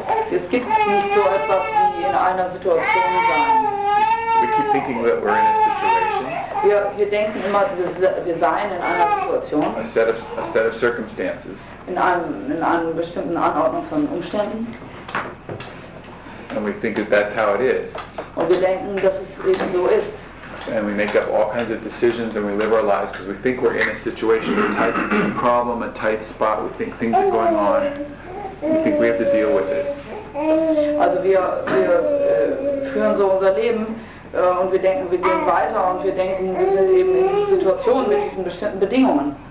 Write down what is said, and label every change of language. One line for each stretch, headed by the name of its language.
German: Es gibt nicht so etwas wie in einer Situation sein.
English: We keep thinking that we're in a situation.
German: Wir denken immer, wir seien in einer Situation.
English: A set of circumstances.
German: In einer bestimmten Anordnung von Umständen.
English: And we think that that's how it is.
German: Und wir denken, dass es eben so ist.
English: And we make up all kinds of decisions and we live our lives because we think we're in a situation, a tight problem, a tight spot. We think things are going on. We think we have to deal with it.
German: Also wir führen so unser Leben. Und wir denken, wir gehen weiter und wir denken, wir sind eben in dieser Situation mit diesen bestimmten Bedingungen.